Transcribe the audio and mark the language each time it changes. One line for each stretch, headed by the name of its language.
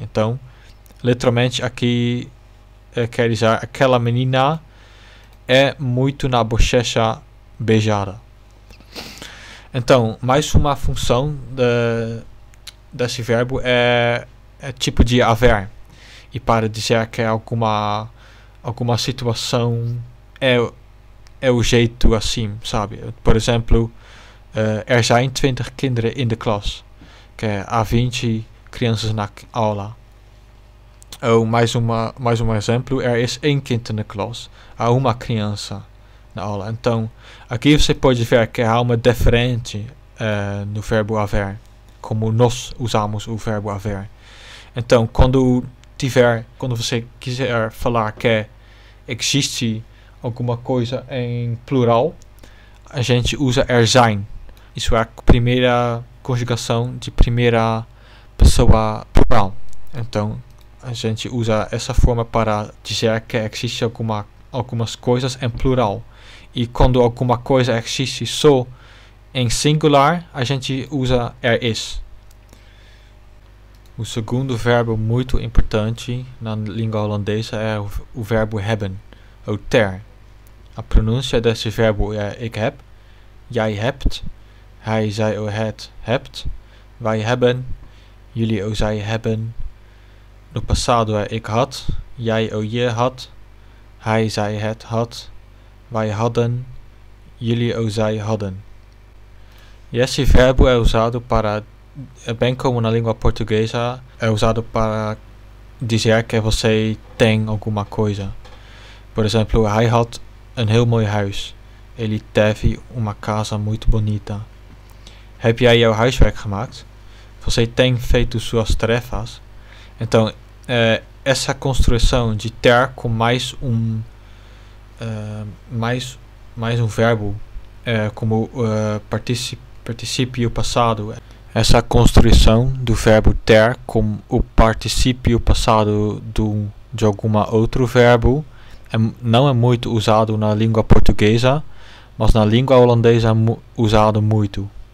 Portuguese: Então, literalmente aqui, quer dizer, aquela menina é muito na bochecha beijada. Então, mais uma função desse verbo é tipo de haver. E para dizer que alguma situação é o jeito assim, sabe?
Dutch: Por exemplo, er zijn 20 kinderen in de klas.
Portuguese: Que é, há 20 crianças na aula. Ou mais um exemplo,
Dutch: er is 1 kind in de klas.
Portuguese: Há uma criança na aula. Então, aqui você pode ver que há uma diferente no verbo haver, como nós usamos o verbo haver. Então, quando você quiser falar que existe alguma coisa em plural, a gente usa er zijn. Isso é a primeira conjugação de primeira pessoa plural. Então, a gente usa essa forma para dizer que existe algumas coisas em plural. E quando alguma coisa existe só em singular, a gente usa er is. O segundo verbo muito importante na língua holandesa é o verbo hebben, ou ter. A pronúncia desse verbo é
Dutch: ik heb, jij hebt, hij, zij ou het hebt, wij hebben, jullie ou zij hebben.
Portuguese: No passado é
Dutch: ik had, jij ou je had, hij, zij het had. Wij hadden, jullie ou zij hadden.
Portuguese: E esse verbo é usado para, bem como na língua portuguesa, é usado para dizer que você tem alguma coisa.
Dutch: Por exemplo, hij had een heel mooi huis.
Portuguese: Ele teve uma casa muito bonita.
Dutch: Heb jij jouw huiswerk gemaakt?
Portuguese: Você tem feito suas tarefas? Então, essa construção de ter com mais um verbo como participio passado. Essa construção do verbo ter com o participio passado de algum outro verbo não é muito usado na língua portuguesa, mas na língua holandesa usado muito.